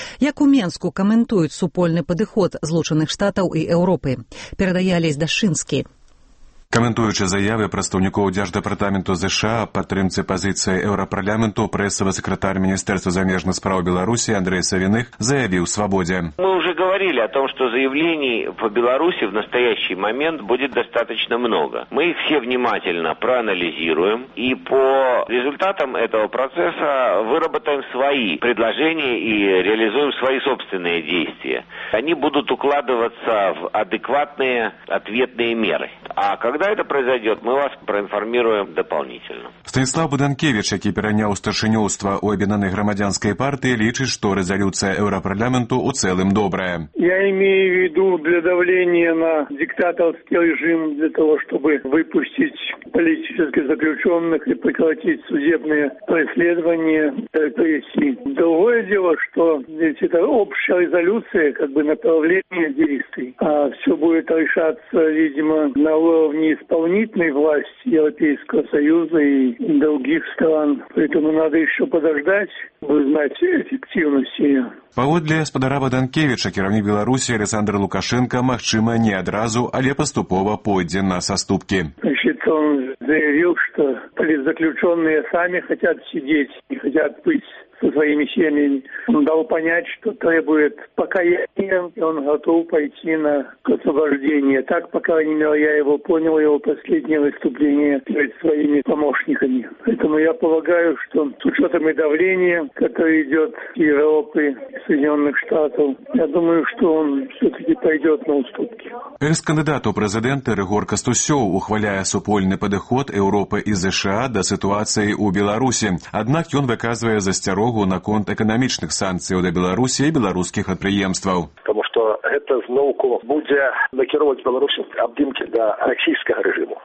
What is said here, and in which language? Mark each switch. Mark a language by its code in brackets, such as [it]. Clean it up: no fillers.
[be] Як у Менску каментуюць супольны падыход Злучаных Штатаў і Еўропы, перадае Алесь Дашынскі. Каментуючы заявы прадстаўнікоў Дзярждэпартаменту ЗША аб падтрымцы пазіцыі Еўрапарламенту, прэсавы сакратар Міністэрства замежных справ Беларусі Андрэй Савіных заявіў «Свабодзе». [ru] Говорили о том, что заявлений по Беларуси в настоящий момент будет достаточно много. Мы их все внимательно проанализируем и по результатам этого процесса выработаем свои предложения и реализуем свои собственные действия. Они будут укладываться в адекватные ответные меры. А когда это произойдет, мы вас проинформируем дополнительно. [be] Станислав Буденкевич, які пераняў старшынёўства у Аб'яднанай грамадзянскай партыі, лічыць, што рэзалюцыя Еўрапарламенту ў цэлым добрая. [ru] Я имею в виду для давления на диктаторский режим, для того, чтобы выпустить политических заключенных и прекратить судебные преследования репрессий. Другое дело, что ведь это общая резолюция, как бы направление действий. А все будет решаться, видимо, на уровне исполнительной власти Европейского Союза и других стран. Поэтому надо еще подождать, узнать эффективность ее. [be] Паводле спадара Баданкевіча, кіраўнік Беларусі Александр Лукашэнка, магчыма, не адразу, але паступова пойдзе на саступкі. [ru] Он заявил, что политзаключенные сами хотят сидеть, не хотят быть со своими семьями. Он дал понять, что требует покаяния, и он готов пойти на освобождение. Так, по крайней мере, я его понял, его последнее выступление перед своими помощниками. Поэтому я полагаю, что с учетом и давления, которое идет в Европе, Соединенных Штатов, я думаю, что он все-таки пойдет на уступки. [be] Экс-кандидат у президента Рыгор Кастусёў ухваляе супольны падыход Еўропы і ЗША да сітуацыі ў Беларусі. Аднак ён выказвае засцярогу наконт эканамічных санкцый да Беларусі і беларускіх прадпрыемстваў. Таму што гэта зноўку будзе накіроўваць Беларусь абдымкі да расійскага рэжыму.